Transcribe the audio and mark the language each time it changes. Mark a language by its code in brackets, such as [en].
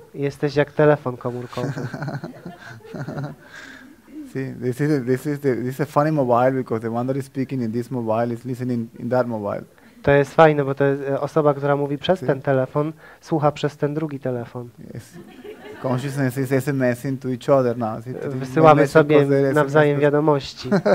[pl] Jesteś jak telefon komórkowy. [en] See, this is a funny mobile because the one that is speaking in this mobile is listening in that mobile. [pl] To jest fajne, bo to jest osoba, która mówi przez ten telefon, słucha przez ten drugi telefon. [en] Yes. Consciousness is SMSing to each other now. [pl] Wysyłamy sobie nawzajem wiadomości.